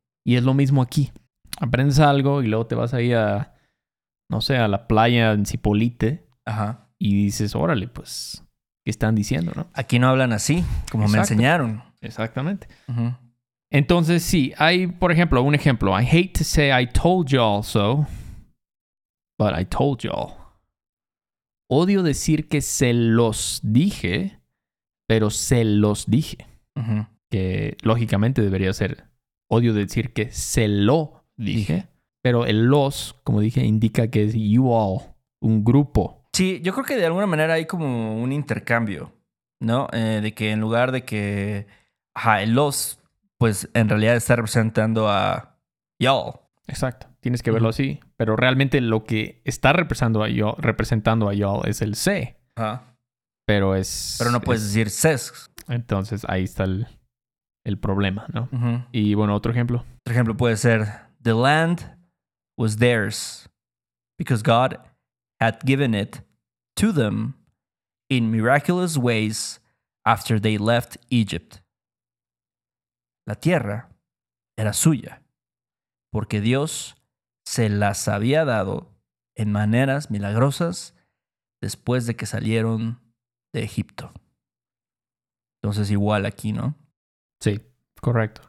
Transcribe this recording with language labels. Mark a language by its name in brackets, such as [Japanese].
[Spanish] Y es lo mismo aquí. Aprendes algo y luego te vas ahí a, no sé, a la playa en Zipolite. Ajá. Y dices, órale, pues, ¿qué están diciendo, no? Aquí no hablan así, como exacto, me enseñaron. Exactamente. Uh-huh. Entonces, sí, hay, por ejemplo, un ejemplo. [English] I hate to say I told y'all so, but I told y'all. [Spanish] Odio decir que se los dije, pero se los dije. Uh-huh. Que lógicamente debería ser odio decir que se lo dije. Pero el los, como dije, indica que es you all, un grupo. Sí, yo creo que de alguna manera hay como un intercambio, ¿no? De que en lugar de que el los, pues en realidad está representando a y'all. Exacto. Tienes que verlo así. Pero realmente lo que está representando a y'all es el se. Ajá. Pero es... Pero no puedes decir ses. Entonces ahí está el problema, ¿no? Uh-huh. Y bueno, otro ejemplo. Otro ejemplo puede ser... [English] The land was theirs because God had given it to them in miraculous ways after they left Egypt. [Spanish] La tierra era suya porque Dios se las había dado en maneras milagrosas después de que salieron de Egipto. Entonces, igual aquí, ¿no? Sí, correcto.